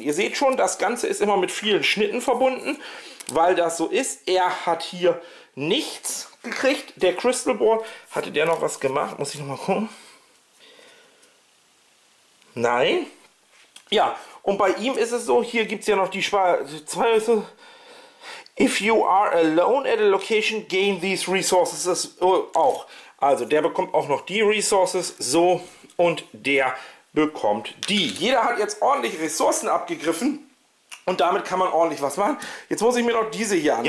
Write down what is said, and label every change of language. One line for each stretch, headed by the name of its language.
German: Ihr seht schon, das Ganze ist immer mit vielen Schnitten verbunden, weil das so ist. Er hat hier nichts gekriegt. Der Crystal Ball, hatte der noch was gemacht? Muss ich nochmal gucken? Nein. Ja, und bei ihm ist es so, hier gibt es ja noch die zwei.
English: If you are alone at a location, gain these resources
German: auch. Also der bekommt auch noch die Resources, so, und der bekommt die. Jeder hat jetzt ordentlich Ressourcen abgegriffen und damit kann man ordentlich was machen. Jetzt muss ich mir noch diese hier angucken.